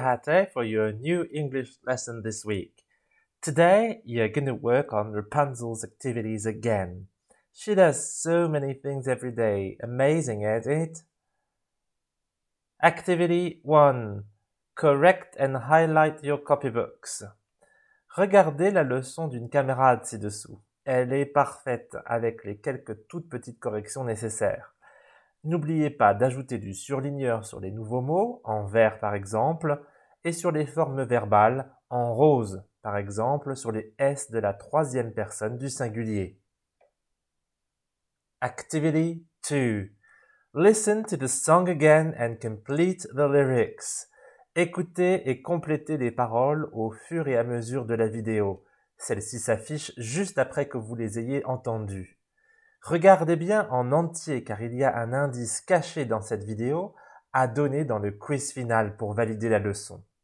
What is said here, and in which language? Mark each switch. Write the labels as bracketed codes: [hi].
[en] Hatte for your new English lesson this week. Today, you're going to work on Rapunzel's activities again. She does so many things every day. Amazing, isn't it? Activity 1. Correct and highlight your copybooks. [fr] Regardez la leçon d'une camarade ci-dessous. Elle est parfaite avec les quelques toutes petites corrections nécessaires. N'oubliez pas d'ajouter du surligneur sur les nouveaux mots, en vert par exemple, et sur les formes verbales, en rose, par exemple sur les S de la troisième personne du singulier. [en] Activity 2. Listen to the song again and complete the lyrics. [fr] Écoutez et complétez les paroles au fur et à mesure de la vidéo. Celle-ci s'affiche juste après que vous les ayez entendues. Regardez bien en entier car il y a un indice caché dans cette vidéo à donner dans le quiz final pour valider la leçon.